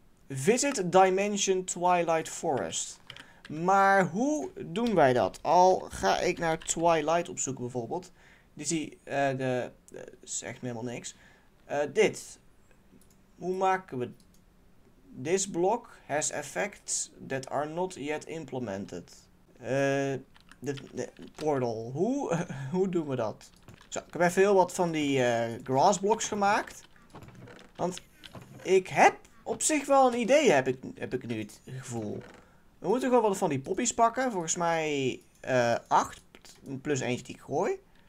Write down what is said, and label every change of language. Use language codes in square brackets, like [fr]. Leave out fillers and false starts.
[nl] Visit Dimension Twilight Forest. Maar hoe doen wij dat? Al ga ik naar Twilight opzoeken bijvoorbeeld. Die zie zegt me helemaal niks. Dit. Hoe maken we... [en] This block has effects that are not yet implemented. [nl] De portal. Hoe doen we dat? Zo, ik heb even heel wat van die grass blocks gemaakt. Want ik heb op zich wel een idee, heb ik nu het gevoel. We moeten gewoon wat van die poppies pakken. Volgens mij 8 plus eentje die ik gooi.